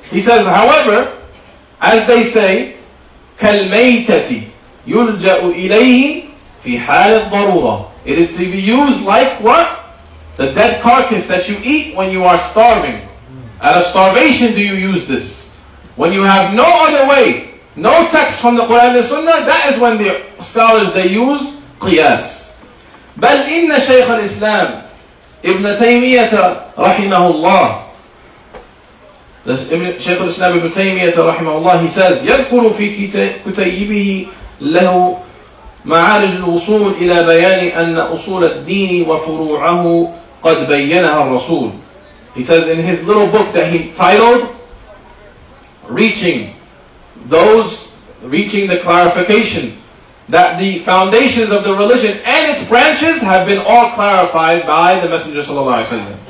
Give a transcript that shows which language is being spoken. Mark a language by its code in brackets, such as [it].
[en] He says, however, as they say, [ar] كَالْمَيْتَةِ يُلْجَأُ إِلَيْهِ فِي حَالِ الضَّرُورَةِ [en] It is to be used like what? The dead carcass that you eat when you are starving. Out of starvation do you use this. When you have no other way, no text from the Qur'an and Sunnah, that is when the scholars, they use qiyas. [ar] بَلْ إِنَّ شَيْخَ الْإِسْلَامِ Ibn Taymiyyah rahimahullah. [en] This Shaykh al-Islam Ibn Taymiyyah rahimahullah, he says, [ar] يَذْكُرُ فِي كُتَيِّبِهِ لَهُ مَعَارِجُ الْوُصُولِ إِلَى بَيَانِ أَنَّ أُصُولَ الدِّينِ وَفُرُوعَهُ قَدْ بَيَّنَهَا الرَّسُولِ [en] He says in his little book that he titled, Reaching the Clarification, that the foundations of the religion and its branches have been all clarified by the Messenger sallallahu alaihi wasallam.